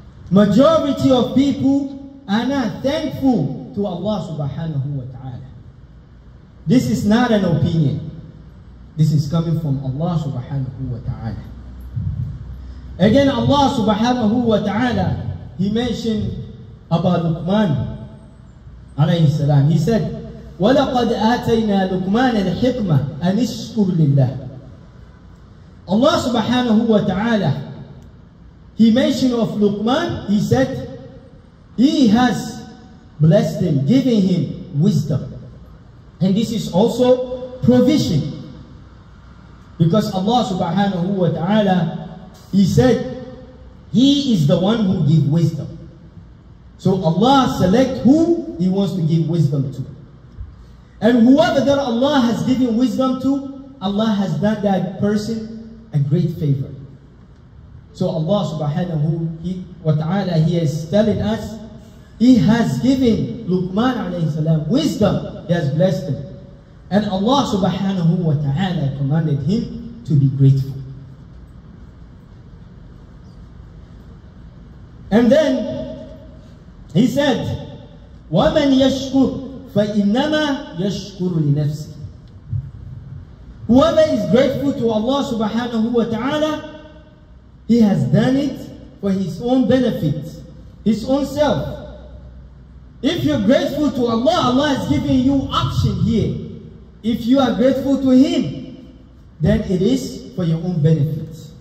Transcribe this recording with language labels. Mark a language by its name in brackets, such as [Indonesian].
[English] Majority of people are not thankful to Allah subhanahu wa ta'ala. This is not an opinion. This is coming from Allah subhanahu wa ta'ala. Again, Allah subhanahu wa ta'ala, He mentioned about Luqman alayhi salam. He said, [Arabic] وَلَقَدْ آتَيْنَا لُقْمَانَ الْحِكْمَةَ أَنِ اشْكُرْ لِلَّهِ. [English] Allah subhanahu wa ta'ala, He mentioned of Luqman, He said, He has blessed him, given him wisdom. And this is also provision. Because Allah subhanahu wa ta'ala, He said, He is the one who gives wisdom. So Allah select who He wants to give wisdom to. And whoever that Allah has given wisdom to, Allah has done that person a great favor. So Allah subhanahu wa ta'ala, He is telling us, He has given Luqman alayhi salam wisdom, He has blessed him. And Allah subhanahu wa ta'ala commanded him to be grateful. And then He said, [Arabic] وَمَنْ يَشْكُرْ فَإِنَّمَا يَشْكُرُ لِنَفْسِهِ. [English] Whoever is grateful to Allah subhanahu wa ta'ala, He has done it for His own benefit, His own self. If you're grateful to Allah, Allah has given you option here. If you are grateful to Him, then it is for your own benefit.